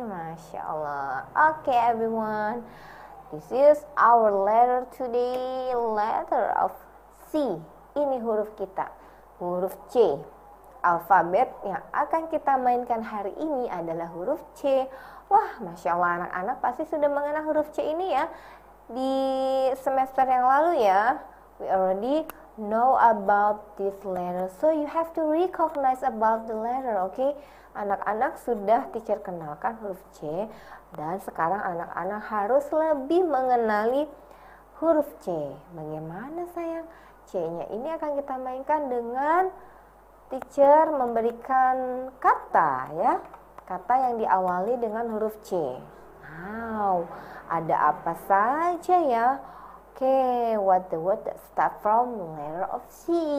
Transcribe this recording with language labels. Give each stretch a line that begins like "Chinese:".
English: Masya Allah. Oke, everyone. This is our letter today, letter of C.
Indonesian: Ini huruf kita, huruf C. Alfabet yang akan kita mainkan hari ini adalah huruf C. Wah, Masya Allah, anak-anak pasti sudah mengenal huruf C ini ya. Di semester yang lalu ya,
English: we already know about this letter. So, you have to recognize about the letter, okay?
Indonesian: Anak-anak sudah teacher kenalkan huruf C. Dan sekarang anak-anak harus lebih mengenali huruf C. Bagaimana sayang? C-nya ini akan kita mainkan dengan teacher memberikan kata ya. Kata yang diawali dengan huruf C. Wow, ada apa saja ya?
English: Oke, what the word that start from letter of C?